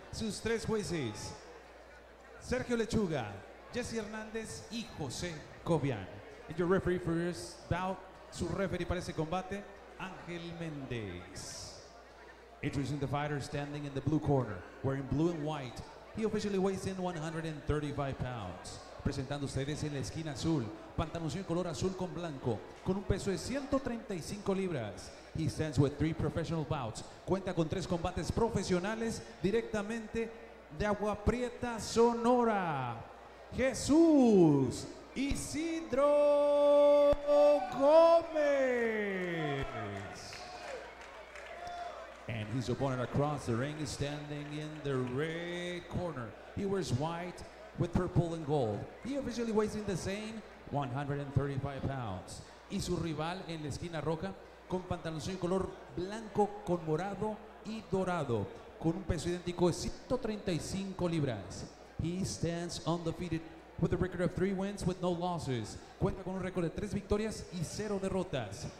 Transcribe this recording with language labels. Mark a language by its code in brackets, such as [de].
[es] Sus 3 jueces. Sergio Lechuga, Jesse Hernandez y José Cobian. [en] And your referee for this bout, [es] su referee para este combate, [en] Ángel Méndez. Introducing the fighter standing in the blue corner, wearing blue and white. He officially weighs in 135 pounds. [es] Presentando ustedes en la esquina azul, pantaloncillo color azul con blanco, con un peso de 135 libras. [en] He stands with 3 professional bouts. [es] Cuenta con 3 combates profesionales directamente de Agua Prieta, Sonora. Jesús Isidro Gómez. [en] And his opponent across the ring is standing in the red corner. He wears white with purple and gold. He officially weighs in the same 135 pounds. [es] Y su rival en la esquina roja con pantaloncillo color blanco con morado y dorado con un peso idéntico de 135 libras. [en] He stands undefeated with a record of 3 wins with no losses. [es] Cuenta con un récord de 3 victorias y 0 derrotas.